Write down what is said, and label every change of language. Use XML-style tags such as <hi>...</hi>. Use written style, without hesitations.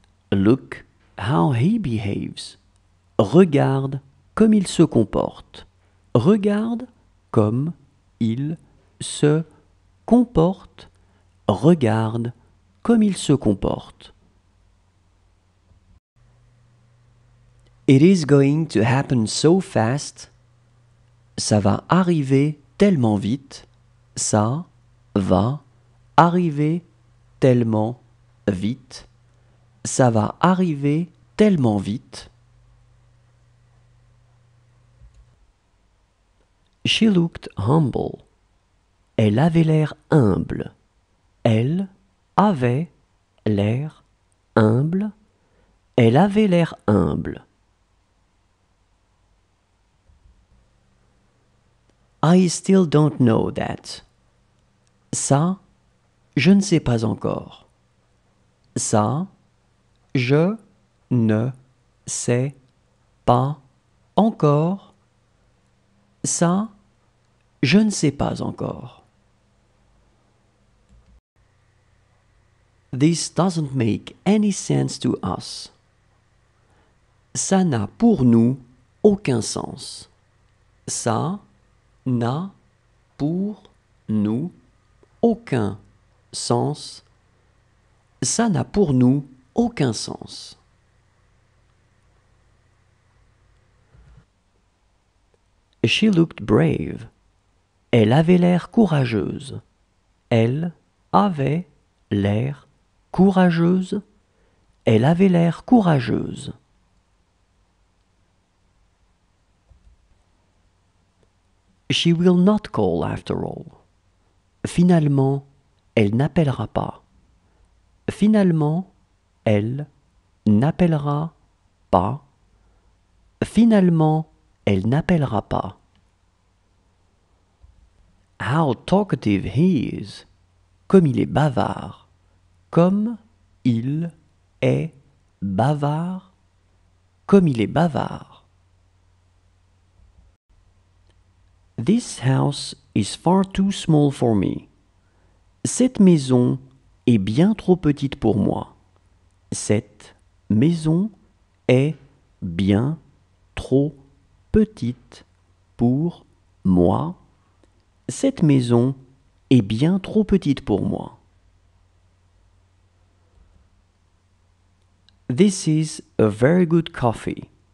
<en>Look how he behaves.</en> <fr>Regarde comme il se comporte. Regarde comme il se comporte. Regarde comme il se comporte.</fr> <en>It is going to happen so fast.</en> <fr>Ça va arriver tellement vite. Ça va arriver tellement vite. Ça va arriver tellement vite.</fr> <en>She looked humble.</en> <fr>Elle avait l'air humble. Elle avait l'air humble. Elle avait l'air humble.</fr> <en>I still don't know that.</en> <fr>Ça, je ne sais pas encore. Ça, je ne sais pas encore. Ça, je ne sais pas encore.</fr> <en>This doesn't make any sense to us.</en> <fr>Ça n'a pour nous aucun sens. Ça n'a pour nous aucun sens. Ça n'a pour nous aucun sens.</fr> <en>She looked brave.</en> <fr>Elle avait l'air courageuse. Elle avait l'air courageuse. Elle avait l'air courageuse.</fr> <en>She will not call after all.</en> <fr>Finalement, elle n'appellera pas. Finalement, elle n'appellera pas. Finalement, elle n'appellera pas.</fr> <en>How talkative he is.</en> <fr>Comme il est bavard. Comme il est bavard. Comme il est bavard.</fr> <en>This house is far too small for me.</en> <fr>Cette maison est bien trop petite pour moi. Cette maison est bien trop petite pour moi. Moi, cette maison est bien trop petite pour moi.</fr> <en>This is a very good coffee.</en>